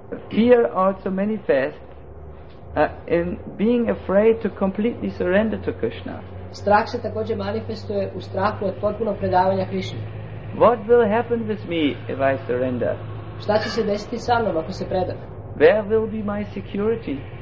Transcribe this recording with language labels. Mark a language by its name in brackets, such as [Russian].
[English] Fear also manifests in being afraid to completely surrender to Krishna. [Serbian] Strah se također manifestuje u strahu od potpunog predavanja Krishna. [English] What will happen with me if I surrender? [Serbian] Šta će se desiti sa mnom ako se predam? [English] Where will be my security?